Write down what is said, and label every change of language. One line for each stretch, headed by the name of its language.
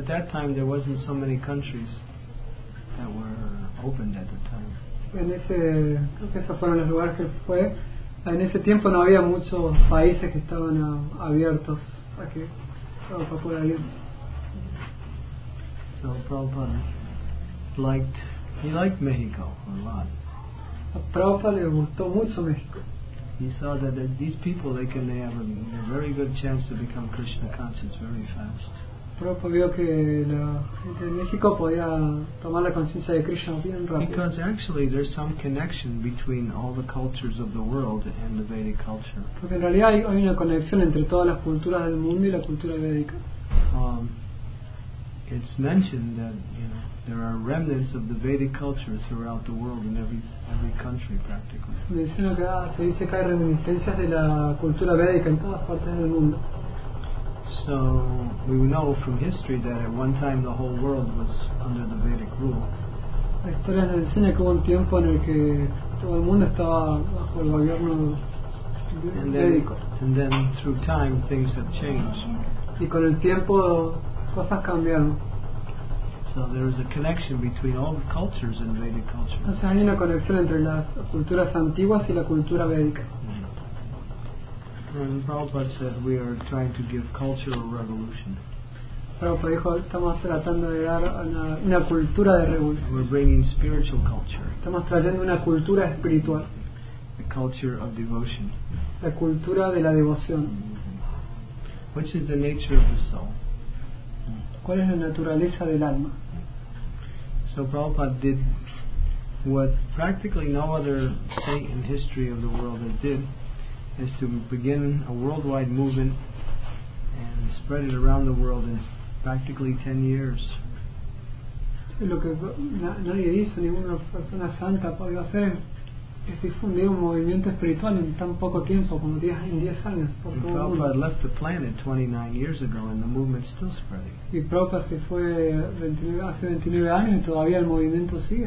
English: At that time, there wasn't so many countries that were opened at the time.
Spanish: En ese... Creo que esos fueron los lugares que fue... En ese tiempo no había muchos países que estaban abiertos a que Prabhupada pudiera ir.
English: So Prabhupada liked Mexico a lot.
Spanish: A Prabhupada le gustó mucho México.
English: He saw that these people they have a very good chance to become Krishna conscious very fast.
Spanish: Prabhupada vio que la gente de México podía tomar la conciencia de Krishna bien rápido.
English: Because actually there's some connection between all the cultures of the world and the Vedic culture.
Spanish: Porque en realidad hay una conexión entre todas las culturas del mundo y la cultura védica.
English: It's mentioned that, you know, There are remnants of the Vedic culture throughout the world in every country practically.
Spanish: Se dice que hay reminiscencias de la cultura védica en todas partes del mundo.
English: So we know from history that at one time the whole world was under the Vedic rule.
Spanish: La historia nos enseña que hubo un tiempo en el que todo el mundo estaba bajo el gobierno védico.
English: And then through time things have changed.
Spanish: Y con el tiempo cosas cambiaron.
English: So there is a connection between all the cultures in Vedic culture.
Spanish: Entonces hay una conexión entre las culturas antiguas y la cultura védica.
English: And Prabhupada said we are trying to give cultural revolution.
Spanish: Prabhupada dijo estamos tratando de dar una cultura de revolución.
English: We're bringing spiritual culture.
Spanish: Estamos trayendo una cultura espiritual.
English: The culture of devotion.
Spanish: La cultura de la devoción.
English: Mm-hmm. Which is the nature of the soul.
Spanish: ¿Cuál es la naturaleza del alma?
English: So Prabhupada did what practically no other saint in history of the world has did, is to begin a worldwide movement and spread it around the world in practically 10 years.
Spanish: Lo que nadie hizo, ninguna persona santa podía hacer, es difundir un movimiento espiritual en tan poco tiempo, como 10 años.
English: Prabhupada left the planet 29 years ago and the movement still spreading.
Spanish: Y Prabhupada se fue hace 29 años y todavía el movimiento sigue.